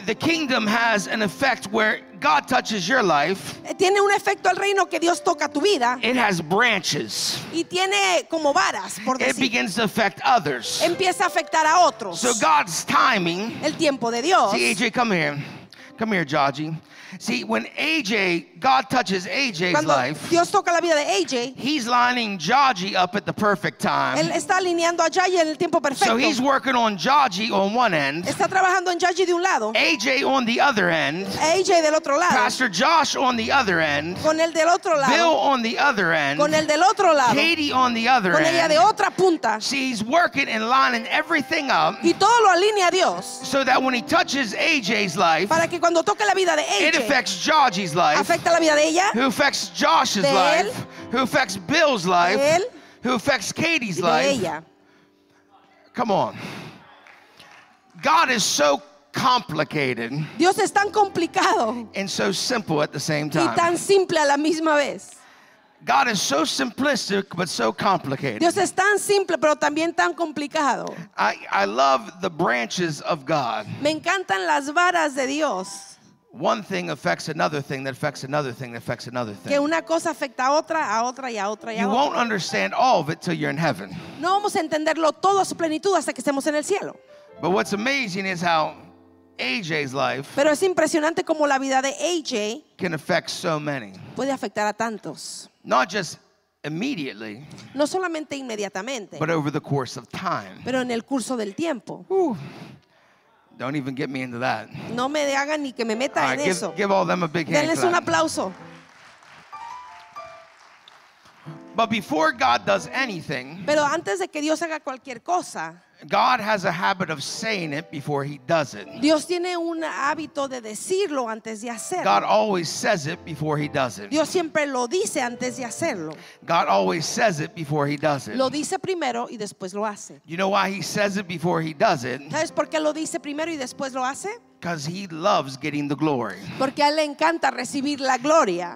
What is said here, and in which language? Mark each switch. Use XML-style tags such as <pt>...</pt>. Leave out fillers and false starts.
<en>The kingdom has an effect where God touches your life.</en> <es>Tiene un efecto al reino que Dios toca tu vida.</es> <en>It has branches.</en> <es>Y tiene como varas, por decir.</es> <en>It begins to affect others.</en> <es>Empieza a afectar a otros.</es> <en>So God's timing.</en> <es>El tiempo de Dios.</es> <en>See, AJ, come here. Come here, Jaji. See, when AJ, God touches AJ's</en> <es>Cuando</es> <en>life,</en> <es>Dios toca la vida de AJ,</es> <en>he's lining Jaji up at the perfect time.</en> <es>Él está alineando a Jaji en el tiempo perfecto.</es> <en>So he's working on Jaji on one end.</en> <es>Está trabajando en Jaji de un lado.</es> <en>AJ on the other end.</en> <es>AJ del otro lado.</es> <en>Pastor Josh on the other end.</en> <es>Con el del otro lado.</es> <en>Bill on the other end.</en> <es>Con el del otro lado.</es> <en>Katie on the other</en> <es>con</es> <en>end.</en> <es>Con ella de otra punta.</es> <en>See, he's working and lining everything up.</en> <es>Y todo lo alinea Dios.</es> <en>So that when he touches AJ's life,</en> <es>para que cuando toque la vida de AJ,</es> <en>it affects Georgie's life.</en> <es>Afecta la vida de ella.</es> <en>Who affects Josh's life? Who affects Bill's life?</en> <es>Él.</es> <en>Who affects Katie's</en> <es>de</es> <en>life?</en> <es>Ella.</es> <en>Come on. God is so complicated.</en> <es>Dios es tan complicado.</es> <en>And so simple at the same time.</en> <es>Y tan simple a la misma vez.</es> <en>God is so simplistic but so complicated.</en> <es>Dios es tan simple pero también tan complicado.</es> <en>I love the branches of God.</en> <es>Me encantan las varas de Dios.</es> <en>One thing affects another thing that affects another thing that affects another thing.</en> <es>Que una cosa afecta a otra, a otra y a otra y a otra.</es> <en>You won't understand all of it till you're in heaven.</en> <es>No vamos a entenderlo todo a su plenitud hasta que estemos en el cielo.</es> <en>But what's amazing is how AJ's life,</en> <es>pero es impresionante como la vida de AJ</es> <en>can affect so many.</en> <es>Puede afectar a tantos.</es> <en>Not just immediately,</en> <es>no solamente inmediatamente,</es> <en>but over the course of time.</en> <es>Pero en el curso del tiempo.</es> <en>Don't even get me into that.</en> <es>No me hagan ni que me meta en eso.</es> <en>Give all them a big hand.</en> <es>Denles un aplauso.</es> <en>But before God does anything,</en> <es>pero antes de que Dios haga cualquier cosa,</es> <en>God has a habit of saying it before he does it.</en> <es>Dios tiene un hábito de decirlo antes de hacerlo.</es> <en>God always says it before he does it.</en> <es>Dios siempre lo dice antes de hacerlo.</es> <en>God always says it before he does it.</en> <es>Lo dice primero y después lo hace.</es> <en>You know why he says it before he does it?</en> <es>¿Sabes por qué lo dice primero y después lo hace?</es> <en>Because he loves getting the glory.</en> <es>Porque a él le encanta recibir la gloria.</es>